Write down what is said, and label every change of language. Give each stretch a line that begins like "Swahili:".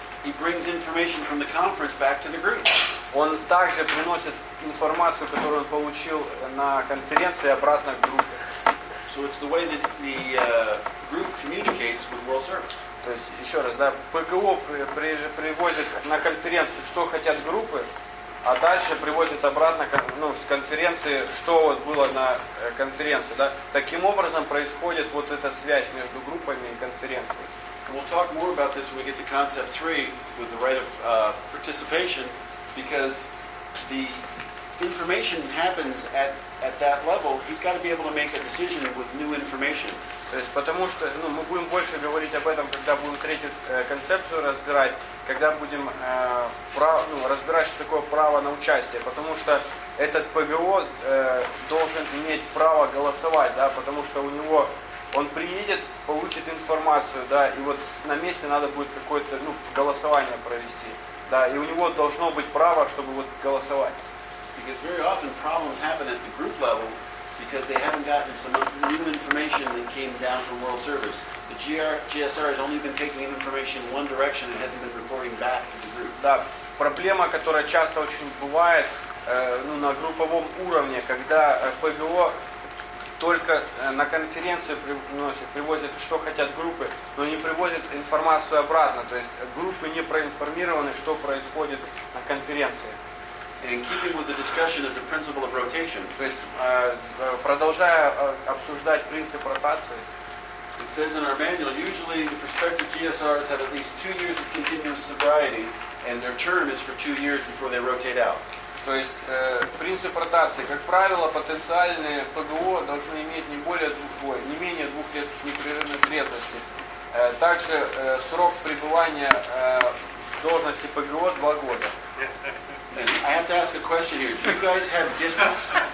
English: He brings information from the conference back to the group.
Russian: Он также приносит информацию, которую он получил на конференции, обратно к группе.
English: So it's the way that the group communicates with World Service.
Russian: То есть еще раз, да, ПГО привозит на конференцию, что хотят группы, а дальше привозит обратно с конференции, что вот было на конференции, да. Таким образом происходит вот эта связь между группами и конференцией.
English: We'll talk more about this when we get to concept 3 with the right of participation, because the information happens at that level. He's got to be able to make a decision with new information.
Russian: То есть потому что мы будем больше говорить об этом, когда будем третью концепцию разбирать, когда будем разбирать, что такое право на участие, потому что этот ПГО должен иметь право голосовать, да, потому что у него он приедет, получит информацию, да, и вот на месте надо будет какое-то голосование провести. Да, и у него должно быть право, чтобы вот голосовать.
English: Because very often problems happen at the group level because they haven't gotten some new information that came down from World Service. The GSR has only been taking information in one direction and hasn't been reporting back to the group.
Russian: Да, проблема, которая часто очень бывает, ну, на групповом уровне, когда ПГО только на конференцию приносит, привозят, что хотят группы, но не привозят информацию обратно. То есть группы не проинформированы, что происходит на конференции.
English: In keeping with the discussion of the principle of rotation,
Russian: то есть, продолжая обсуждать принцип ротации,
English: it says in our manual, usually the prospective GSRs have at least 2 years of continuous sobriety, and their term is for 2 years before they rotate out.
Russian: То есть принцип ротации, как правило, потенциальные ПГО должны иметь не более не менее 2 лет непрерывной трезвости. Также срок пребывания в должности ПГО 2 года.
English: I have to ask a question here. Do you guys have districts?